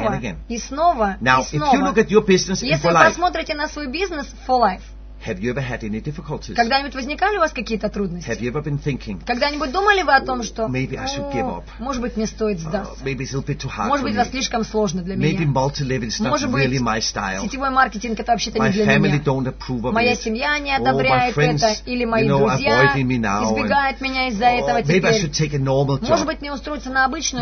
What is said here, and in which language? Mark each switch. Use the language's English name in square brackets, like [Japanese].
[English] and again. [Russian] И снова [English] now, [Russian] и снова. [English] If you look at your business [Russian] если [English] in [Russian] вы посмотрите на свой бизнес for life, [English] Have you ever had any difficulties? [Russian] Когда-нибудь возникали у вас какие-то трудности? [English] Have you ever been thinking? [Russian] Когда-нибудь думали вы о том, что [English] maybe I should give up. [Russian] Может быть, мне стоит сдаться. [English] Maybe it's a little bit too hard. [Russian] Может быть, это слишком сложно для меня. [English] Maybe multi-level is not really my style. [Russian] Сетевой маркетинг это вообще-то не для меня. Моя семья не одобряет это, или мои друзья избегают меня из-за этого теперь. [English] Maybe I should take a normal job. [Russian] Может быть, мне устроиться на обычную